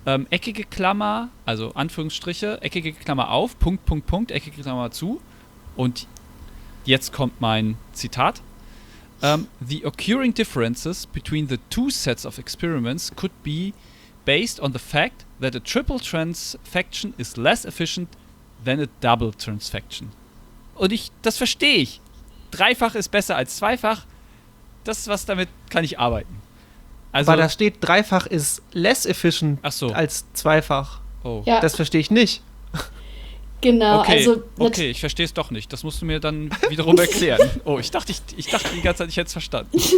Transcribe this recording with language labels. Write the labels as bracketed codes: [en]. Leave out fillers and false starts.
[de] Eckige Klammer, also Anführungsstriche, eckige Klammer auf, Punkt, Punkt, Punkt, eckige Klammer zu, und jetzt kommt mein Zitat. [en] The occurring differences between the two sets of experiments could be based on the fact that a triple transfection is less efficient than a double transfection. [de] Und das verstehe ich. Dreifach ist besser als zweifach. Das ist was, damit kann ich arbeiten. Also, weil da steht, dreifach ist [en] less efficient [de] als zweifach. Oh. Ja. Das verstehe ich nicht. Genau, okay, also. Okay, ich verstehe es doch nicht. Das musst du mir dann wiederum erklären. Oh, ich dachte die ganze Zeit, ich hätte es verstanden.